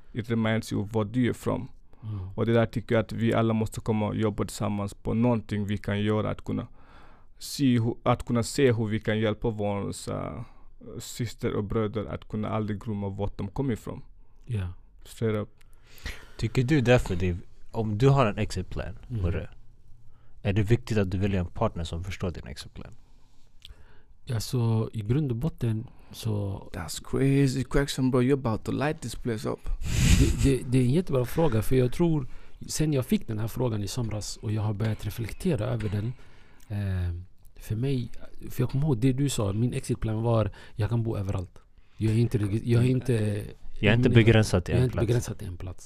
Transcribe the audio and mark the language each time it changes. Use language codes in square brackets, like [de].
[en] It reminds you of [sv] var du är från. Och det där tycker jag att vi alla måste komma och jobba tillsammans på någonting vi kan göra att kunna se hur vi kan hjälpa våra syster och bröder att kunna aldrig glömma vart de kommer ifrån. [en] Straight up. [sv] Tycker du därför, om du har en exitplan, Murre, är det viktigt att du väljer en partner som förstår din exitplan? Alltså, i grund och botten så... [en] That's crazy question, bro. You're about to light this place up. [sv] Det är en jättebra fråga, för jag tror sen jag fick den här frågan i somras och jag har börjat reflektera över den. För mig, för jag kommer ihåg det du sa, min exitplan var jag kan bo överallt. Jag är inte begränsad till en plats.